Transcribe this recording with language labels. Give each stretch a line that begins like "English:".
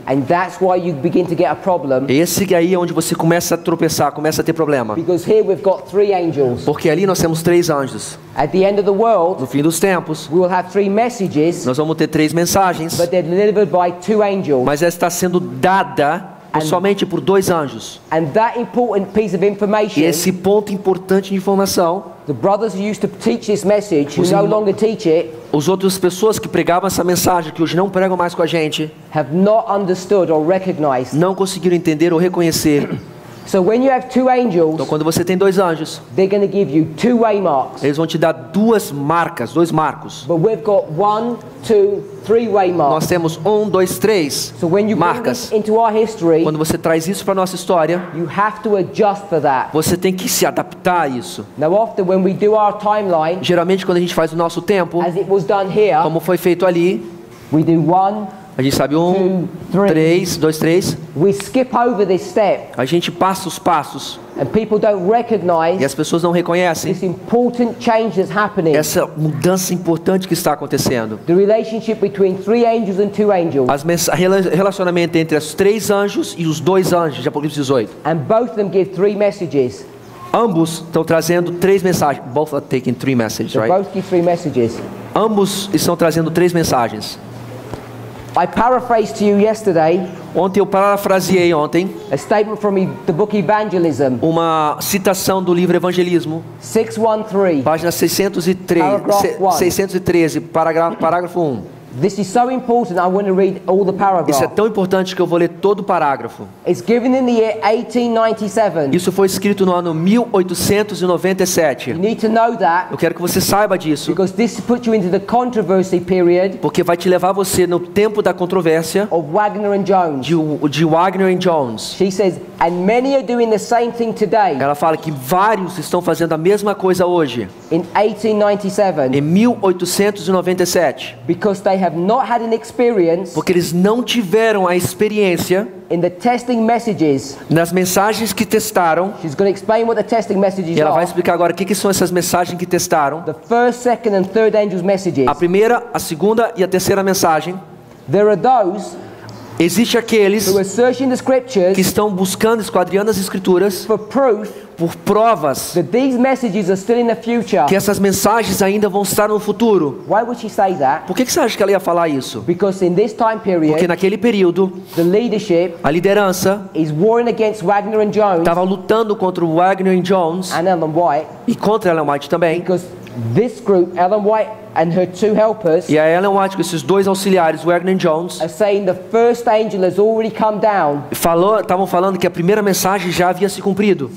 English: And that's why you begin to get a problem.
Portuguese: Esse aí é onde você começa a tropeçar, começa a ter problema.
English: Because here we've got three angels.
Portuguese: Porque ali nós temos três anjos.
English: At the end of the world,
Portuguese: no fim dos tempos,
English: we will have three messages,
Portuguese: nós vamos ter três mensagens,
English: but they're delivered by two angels.
Portuguese: Mas ela está sendo dada somente por dois anjos.
English: And that important piece of information,
Portuguese: e esse ponto importante de informação,
English: the brothers who used to teach this message, who no longer teach it,
Portuguese: os outras pessoas que pregavam essa mensagem, que hoje não pregam mais com a gente,
English: have not understood or recognized,
Portuguese: não conseguiram entender ou reconhecer.
English: So when you have two angels,
Portuguese: então quando você tem dois anjos,
English: they're going to give you two waymarks.
Portuguese: Eles vão te dar duas marcas, dois marcos.
English: But we've got one, two, three waymarks.
Portuguese: Nós temos um, dois, três marcas.
English: So when you bring this into our history,
Portuguese: quando você traz isso para nossa história,
English: you have to adjust for that.
Portuguese: Você tem que se adaptar a isso.
English: Now often when we do our timeline,
Portuguese: geralmente quando a gente faz o nosso tempo,
English: as it was done here,
Portuguese: como foi feito ali,
English: we do one.
Portuguese: A gente sabe um, três, dois, três.
English: We skip over this step.
Portuguese: A gente passa os passos.
English: And people don't recognize.
Portuguese: E as pessoas não reconhecem.
English: This important change that's happening.
Portuguese: Essa mudança importante que está acontecendo.
English: The relationship between three angels and two angels.
Portuguese: Relacionamento entre os três anjos e os dois anjos de Apocalipse 18.
English: And both them give three messages.
Portuguese: Ambos estão trazendo três mensagens.
English: Both are taking three messages, right? Both give three messages.
Portuguese: Ambos estão trazendo três mensagens.
English: I paraphrased to you yesterday.
Portuguese: Ontem eu parafraseei ontem.
English: A statement from the book Evangelism.
Portuguese: Uma citação do livro Evangelismo.
English: 613.
Portuguese: Página 613. Parágrafo 1.
English: This is so important. I want to read all the paragraph.
Portuguese: Isso é tão importante que eu vou ler todo o parágrafo.
English: It's given in the year 1897.
Portuguese: Isso foi escrito no ano 1897.
English: You need to know that.
Portuguese: Eu quero que você saiba disso.
English: Because this puts you into the controversy period.
Portuguese: Porque vai te levar você no tempo da controvérsia.
English: Of Wagner and Jones.
Portuguese: De Wagner and Jones.
English: She says, and many are doing the same thing today.
Portuguese: Ela fala que vários estão fazendo a mesma coisa hoje.
English: In 1897.
Portuguese: Em 1897.
English: Because they have not had an experience,
Portuguese: porque eles não tiveram a experiência
English: in the testing messages,
Portuguese: nas mensagens que testaram.
English: She's going to explain what the testing messages
Portuguese: e ela
English: are.
Portuguese: Vai explicar agora o que são essas mensagens que testaram.
English: The first, second and third angels messages.
Portuguese: A primeira, a segunda e a terceira mensagem.
English: There are those,
Portuguese: existe aqueles
English: who are searching the scriptures,
Portuguese: que estão buscando, esquadriando as escrituras
English: for proof,
Portuguese: por provas
English: that these messages are still in the future.
Portuguese: Que essas mensagens ainda vão estar no futuro.
English: Why would she say that?
Portuguese: Por que você acha que ela ia falar isso?
English: Because in this time period,
Portuguese: porque naquele período
English: the leadership,
Portuguese: a liderança
English: is warring against Wagner and Jones,
Portuguese: estava lutando contra o Wagner and Jones
English: and Ellen White,
Portuguese: e contra Ellen White também.
English: Because this group, Ellen White and her two helpers,
Portuguese: e a Ellen White com esses dois auxiliares, Wagner e Jones,
English: are saying the first angel has already come down.
Portuguese: Estavam falando que a primeira mensagem já havia se cumprido.